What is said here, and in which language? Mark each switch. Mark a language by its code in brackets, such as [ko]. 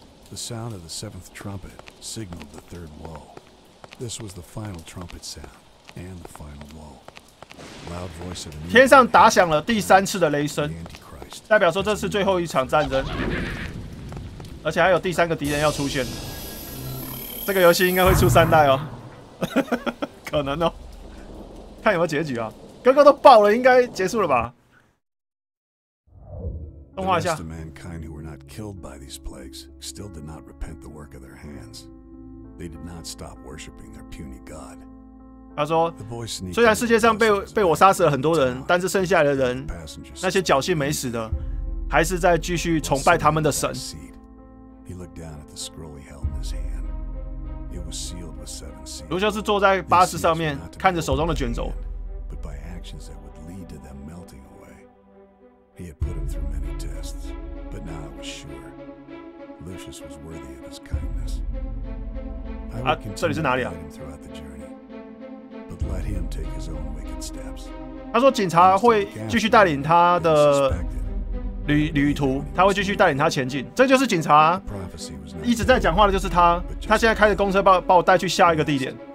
[en] The sound of the seventh trumpet signaled the third woe. This was the final trumpet sound and the final woe. Loud voice of the. [zh] 天上打响了第三次的雷声，代表说这是最后一场战争，而且还有第三个敌人要出现。这个游戏应该会出三代哦，可能哦，看有没有结局啊。哥哥都爆了，应该结束了吧？动画一下。 [en] Killed by these plagues, still did not repent the work of their hands. They did not stop worshiping their puny god. [zh] 他说，虽然世界上被我杀死了很多人，但是剩下的人，那些侥幸没死的，还是在继续崇拜他们的神。 [en] He looked down at the scroll he held in his hand. It was sealed with seven seals. [zh] 卢修斯坐在巴士上面，看着手中的卷轴。 [en] But by actions that would lead to them melting away, he had put him through many tests. But now I was sure Lucius was worthy of his kindness. I would continue to guide him throughout the journey, but let him take his own wicked steps. [zh] 他说警察会继续带领他的旅途，他会继续带领他前进。这就是警察一直在讲话的，就是他。他现在开着公车把我带去下一个地点。